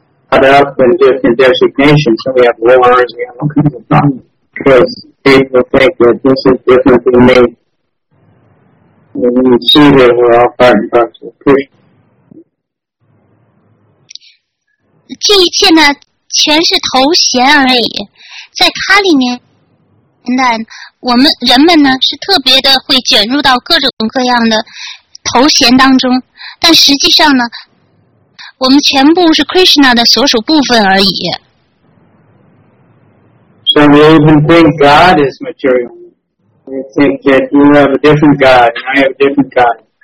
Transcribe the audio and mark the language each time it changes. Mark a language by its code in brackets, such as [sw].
[en] Caught up in different designations, so we have wars, we have all kinds of problems, because people think that this is different than me. When you see that we're all part and parcel of Krishna. [zh] 这一切呢，全是头衔而已。在卡里面，但我们人们呢，是特别的会卷入到各种各样的头衔当中，但实际上呢，我们全部是 Krishna 的所属部分而已。 [en] So we even think God is material. They think that you have a different God and I have a different God.